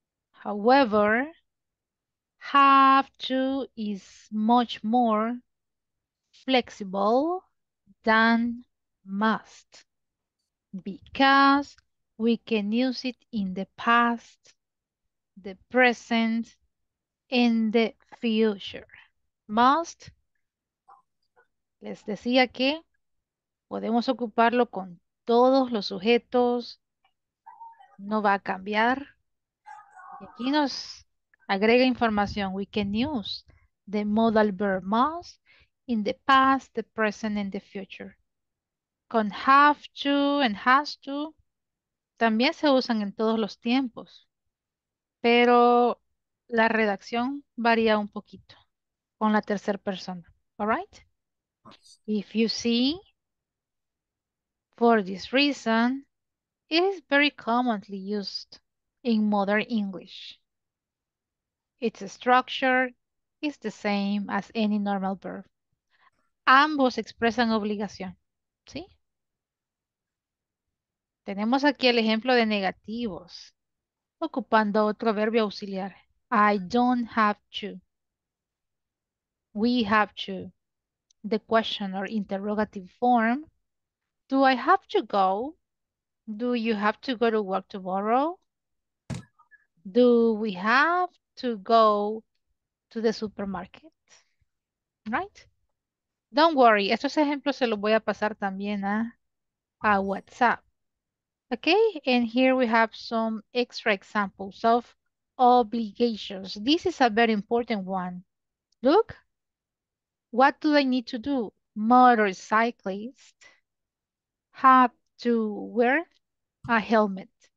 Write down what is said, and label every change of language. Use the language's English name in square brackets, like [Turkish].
[English] However, have to is much more flexible than must because we can use it in the past, the present, and the future. [Spanish] Must, les decía que podemos ocuparlo con todos los sujetos. No va a cambiar. Aquí nos agrega información. [English] We can use the modal verb must in the past, the present, and the future. [Spanish] Con have to and has to, también se usan en todos los tiempos. Pero la redacción varía un poquito con la tercera persona. [English] All right? If you see, for this reason, it is very commonly used in modern English. Its structure is the same as any normal verb. [Spanish] Ambos expresan obligación, ¿sí? Tenemos aquí el ejemplo de negativos, ocupando otro verbo auxiliar. [English] I don't have to. We have to. The question or interrogative form, do I have to go? Do you have to go to work tomorrow? Do we have to go to the supermarket? Right? Don't worry. [Spanish] Estos ejemplos se los voy a pasar también a WhatsApp. [English] Okay? And here we have some extra examples of obligations. This is a very important one. Look. What do they need to do? Motorcyclists have to wear a helmet.